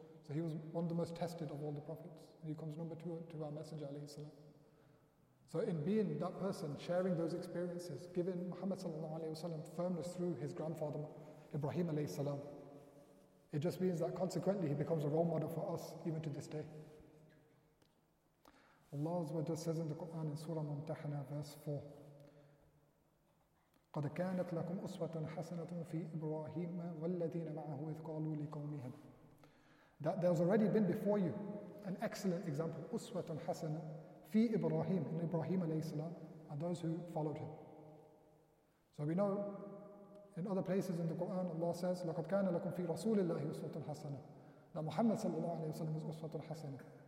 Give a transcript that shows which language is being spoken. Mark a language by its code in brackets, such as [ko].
[en] So he was one of the most tested of all the prophets. And he comes number two to our messenger alayhi salam. So in being that person, sharing those experiences, giving Muhammad sallallahu alayhi wa sallam firmness through his grandfather, Ibrahim alayhi salam, it just means that consequently he becomes a role model for us even to this day. Allah says in the Quran in Surah Mumtahana, verse 4, [ar] قَدْ كَانَتْ لَكُمْ أُسْوَةٌ حَسَنَةٌ فِي إِبْرَاهِيمَ وَالَّذِينَ مَعَهُ إِذْ قَالُوا لِقَوْمِهِمْ. [en] That there's already been before you an excellent example, [ar] أُسْوَةٌ حَسَنَةٌ فِي إِبْرَاهِيمَ, [en] in Ibrahim alayhi salam, and those who followed him. So we know in other places in the Quran, Allah says, [ar] لَقَدْ كَانَ لَكُمْ فِي رَسُولِ اللَّهِ أُسْوَةٌ حَسَنَةٌ, [en] that Muhammad sallallahu alayhi wa sallam is [ar] أُسْوَةٌ حَسَنَةٌ.